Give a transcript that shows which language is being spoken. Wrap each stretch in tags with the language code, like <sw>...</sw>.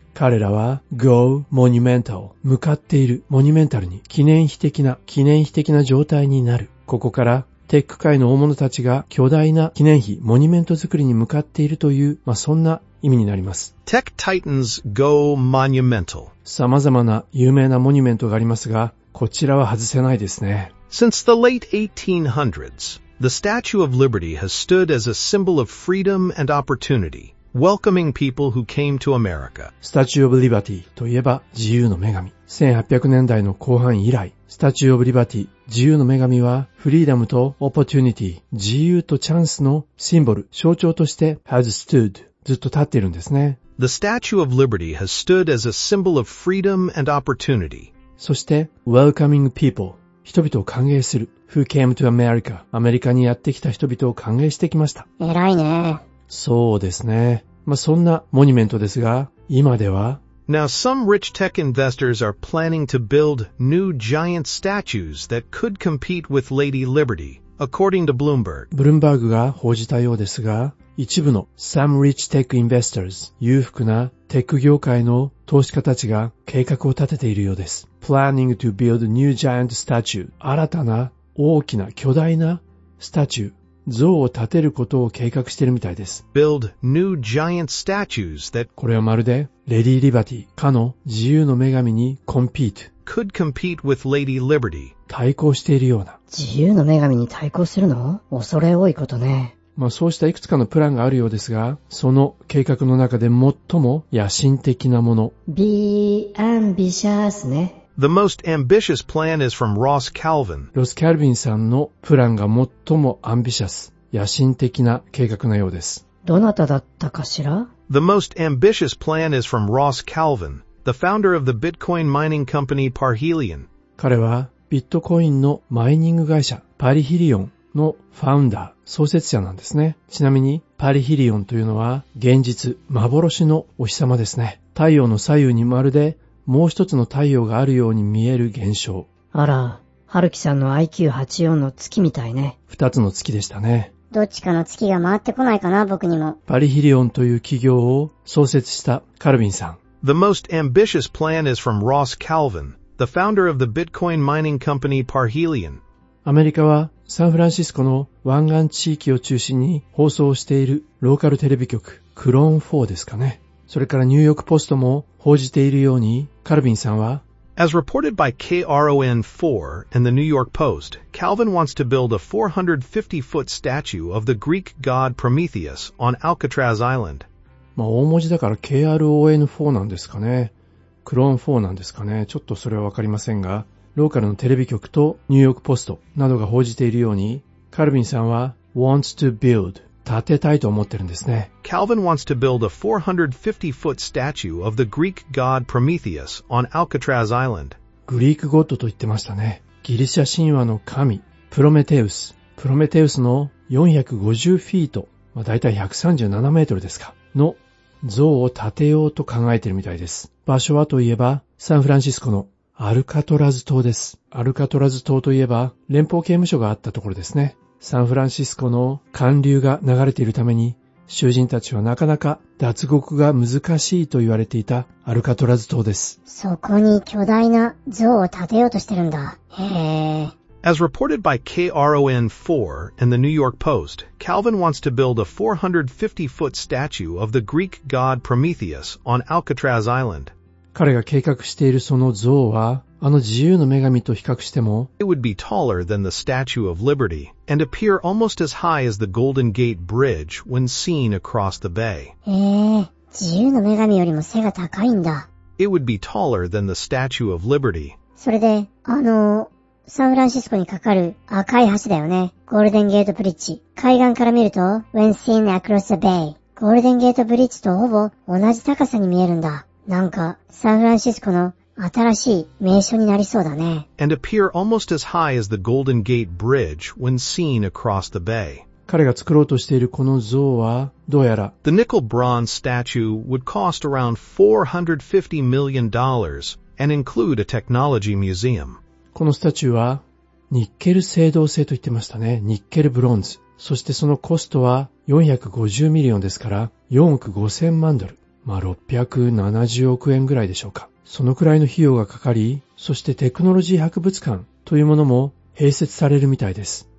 <ja>彼らは</ja> <en>go monumental</en> <ja>向かっているモニュメンタルに記念碑的な状態になる。ここからテック界の大物たちが巨大な記念碑モニュメント作りに向かっているというまあ、そんな意味になります。</ja> <en>Tech Titans go monumental。</en> <ja>様々な有名なモニュメントがありますが、こちらは外せないですね。</ja> <en>Since the late 1800s, the Statue of Liberty has stood as a symbol of freedom and opportunity. Welcoming people who came to America.</en> <ja>Statue of Liberty といえば自由の女神。1800年代の後半以来、Statue of Liberty 自由の女神は、フリーダムとオポチュニティ、自由とチャンスのシンボル、象徴として、</ja> <en>has stood、</en> <ja>ずっと立っているんですね。</ja> <en>The Statue of Liberty has stood as a symbol of freedom and opportunity.</en> <ja>そして、</ja> <en>welcoming people、</en> <ja>人々を歓迎する。</ja> <en>Who came to America?</en> <ja>アメリカにやってきた人々を歓迎してきました。偉いね。そうですね。まあ、そんなモニュメントですが、今では</ja> <en>Now some rich tech investors are planning to build new giant statues that could compete with Lady Liberty, according to Bloomberg.</en> <ja>ブルームバーグが報じたようですが、一部の</ja> <en>some rich tech investors</en> <ja>裕福なテック業界の投資家たちが計画を立てているようです。</ja> <en>Planning to build new giant statue</en> <ja>新たな大きな巨大なスタチュー像を建てることを計画しているみたいです。</ja> <en>Build new giant statues that</en> <ja>これはまるで、レディ・リバティ、かの自由の女神に compete。</ja> <en>Could compete with Lady Liberty。</en> <ja>対抗しているような。自由の女神に対抗するの？恐れ多いことね。まあそうしたいくつかのプランがあるようですが、その計画の中で最も野心的なもの。</ja> <en>Be ambitious ね。 The most ambitious plan is from Ross Calvin.</en> <ja>ロス・キャルビンさんのプランが最もアンビシャス、野心的な計画のようです。どなただったかしら？</ja> <en>The most ambitious plan is from Ross Calvin, the founder of the Bitcoin mining company Parhelion.</en> <ja>彼はビットコインのマイニング会社パリヒリオンのファウンダー、創設者なんですね。ちなみにパリヒリオンというのは現実、幻のお日様ですね。太陽の左右にまるでもう一つの太陽があるように見える現象。あら、ハルキさんの IQ84 の月みたいね。二つの月でしたね。どっちかの月が回ってこないかな、僕にも。パリヒリオンという企業を創設したカルビンさん。</ja> <en>The most ambitious plan is from Ross Calvin, the founder of the Bitcoin mining company Parhelion.</en> <ja>アメリカはサンフランシスコの湾岸地域を中心に放送しているローカルテレビ局、クローン4ですかね。それからニューヨークポストも報じているように、カルビンさんは、</ja> <en>As reported by KRON4 and the New York Post, Calvin wants to build a 450-foot statue of the Greek god Prometheus on Alcatraz Island.</en> <ja>まあ大文字だから KRON4 なんですかね。クローン4なんですかね。ちょっとそれはわかりませんが、ローカルのテレビ局とニューヨークポストなどが報じているように、カルビンさんは</ja> <en>wants to build</en> <ja>建てたいと思ってるんですね。</ja> <en>Calvin wants to build a 450-foot statue of the Greek god Prometheus on Alcatraz Island.</en> <ja>グリークゴッドと言ってましたね。ギリシャ神話の神、プロメテウス。プロメテウスの450フィート、まあ、だいたい137メートルですか、の像を建てようと考えているみたいです。場所はといえば、サンフランシスコのアルカトラズ島です。アルカトラズ島といえば、連邦刑務所があったところですね。サンフランシスコの寒流が流れているために、囚人たちはなかなか脱獄が難しいと言われていたアルカトラズ島です。そこに巨大な像を建てようとしてるんだ。へぇー。</ja> <en>As reported by KRON4 and the New York Post, Calvin wants to build a 450-foot statue of the Greek god Prometheus on Alcatraz Island.</en> <ja>彼が計画しているその像は、あの自由の女神と比較しても、</ja> <en>It would be taller than the Statue of Liberty and appear almost as high as the Golden Gate Bridge when seen across the bay.</en> <ja>自由の女神よりも背が高いんだ。</ja> <en>It would be taller than the Statue of Liberty.</en> <ja>それで、サンフランシスコにかかる赤い橋だよね。ゴールデンゲートブリッジ。海岸から見ると、</ja> <en>When seen across the bay。</en> <ja>ゴールデンゲートブリッジとほぼ同じ高さに見えるんだ。なんか、サンフランシスコの新しい名所になりそうだね。</ja> <en>And appear almost as high as the Golden Gate Bridge when seen across the bay.</en> <ja>彼が作ろうとしているこの像は、どうやら。</ja> <en>The nickel bronze statue would cost around $450 million and include a technology museum.</en> <ja>このスタチューはニッケル青銅製と言ってましたね。ニッケルブロンズ。そしてそのコストは450ミリオンですから4億5000万ドル。まあ670億円ぐらいでしょうか。そのくらいの費用がかかり、そしてテクノロジー博物館というものも併設されるみたいです。</ja>